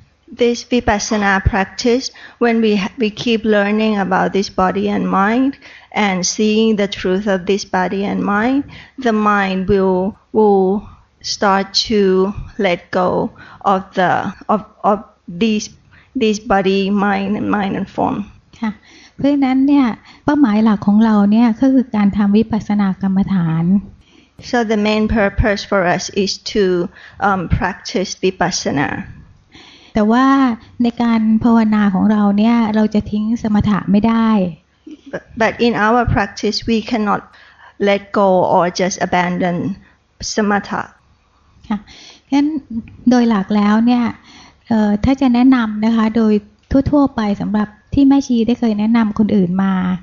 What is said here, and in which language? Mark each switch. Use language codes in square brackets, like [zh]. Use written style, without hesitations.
[en] This vipassana practice, when we keep learning about this body and mind and seeing the truth of this body and mind, the mind will start to let go of the of these body mind and form. [th] ค่ะเพราะฉะนั้นเนี่ยเป้าหมายหลักของเราเนี่ยก็คือการทำวิปัสสนากรรมฐาน [en] So the main purpose for us is to practice vipassana. [th] แต่ว่าในการภาวนาของเราเนี่ยเราจะทิ้งสมถะไม่ได้ [en] But in our practice we cannot let go or just abandon samatha [th] ค่ะงั้นโดยหลักแล้วเนี่ยถ้าจะแนะนำนะคะโดยทั่วๆไปสำหรับที่แม่ชีได้เคยแนะนำคนอื่นมา